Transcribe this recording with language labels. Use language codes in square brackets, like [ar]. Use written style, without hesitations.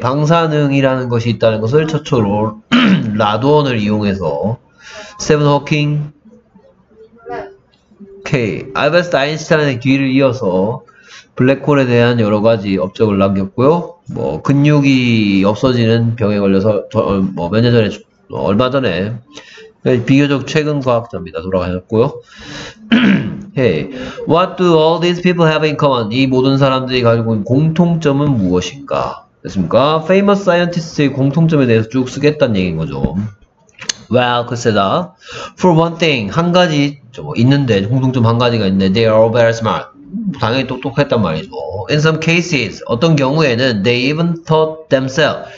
[ko] 방사능이라는 것이 있다는 것을 최초로 라드온을 이용해서 스티븐 호킹 오케이. 알베르트 아인슈타인의 뒤를 이어서 블랙홀에 대한 여러 가지 업적을 남겼고요. 뭐 근육이 없어지는 병에 걸려서 뭐 몇 년 전에 얼마 전에 비교적 최근 과학자입니다. 돌아가셨고요. [en] Hey, what do all these people have in common? [ko] 이 모든 사람들이 가지고 있는 공통점은 무엇일까? 됐습니까? Famous scientists의 공통점에 대해서 쭉 쓰겠다는 얘기인 거죠. [en] Well, [ko] 글쎄다. [en] For one thing, [ko] 한 가지 있는데 공통점 한 가지가 있는데 [en] they are all very smart. [ko] 당연히 똑똑했단 말이죠. [en] In some cases, [ko] 어떤 경우에는 [en] they even thought themselves.